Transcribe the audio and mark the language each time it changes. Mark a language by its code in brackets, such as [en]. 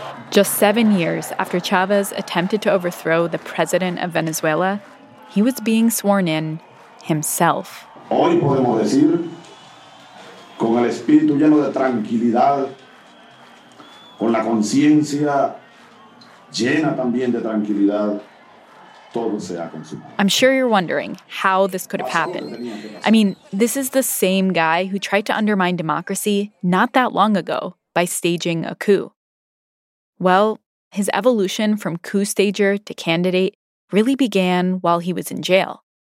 [en] Just 7 years after Chavez attempted to overthrow the president of Venezuela, he was being sworn in himself. [es] Hoy podemos decir, con el espíritu lleno de tranquilidad, con la conciencia llena también de tranquilidad, todo se ha consumado. [en] I'm sure you're wondering how this could have happened. I mean, this is the same guy who tried to undermine democracy not that long ago by staging a coup. Well, his evolution from coup stager to candidate really began while he was in jail.